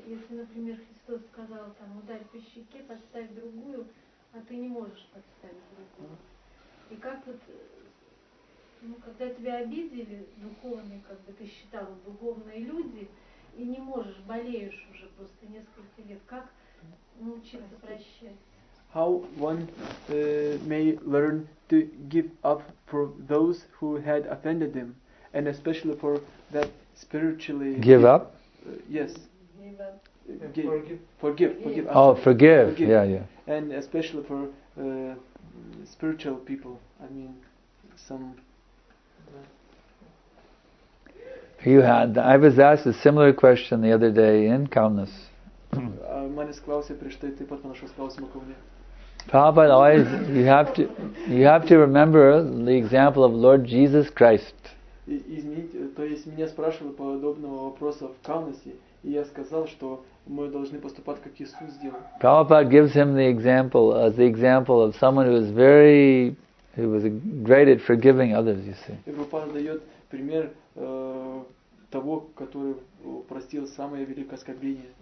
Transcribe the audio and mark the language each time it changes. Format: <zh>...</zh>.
<ru>Если, например, Христос сказал там ударь по щеке, подставь другую, а ты не можешь подставить другую. И как вот, ну, когда тебя обидели духовные, как бы ты считал, духовные люди, и не можешь, болеешь уже просто несколько лет, как научиться прощать?</ru> <en>How one may learn to give up for those who had offended him, and especially for that spiritually give up? Yes. Forgive. Oh, forgive. Yeah, yeah. And especially for spiritual people. I mean, some. I was asked a similar question the other day in Kaunas. Prabhupada always, you have to remember the example of Lord Jesus Christ.</en> <ru>То есть меня спрашивали по подобного вопроса в Каунасе, и я сказал, что мы должны поступать, как Иисус сделал.</ru> <en>Prabhupada gives him the example as the example of someone who was great at forgiving others, you see.</en> <ru>И Прабхупада дает пример того, который простил самое великое оскорбление.</ru>